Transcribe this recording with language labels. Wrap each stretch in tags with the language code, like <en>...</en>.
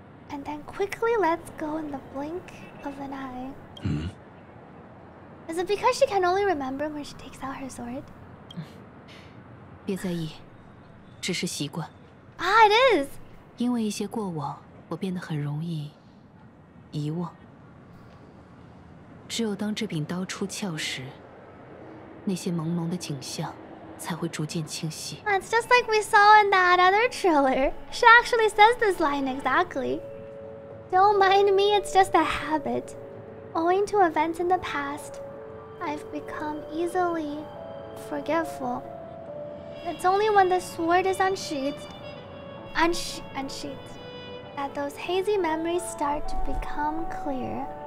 <en>and then quickly lets go in the blink of an eye. Hmm. Is it because she can only remember when she takes out her sword?</en> <zh>别在意，只是习惯。</zh> <en>Ah, it is.</en> <zh>因为一些过往，我变得很容易遗忘。只有当这柄刀出鞘时，那些朦胧的景象才会逐渐清晰。</zh> <en>That's just like we saw in that other trailer. She actually says this line exactly. Don't mind me. It's just a habit. Owing to events in the past, I've become easily forgetful. It's only when the sword is unsheathed that those hazy memories start to become clear.</en>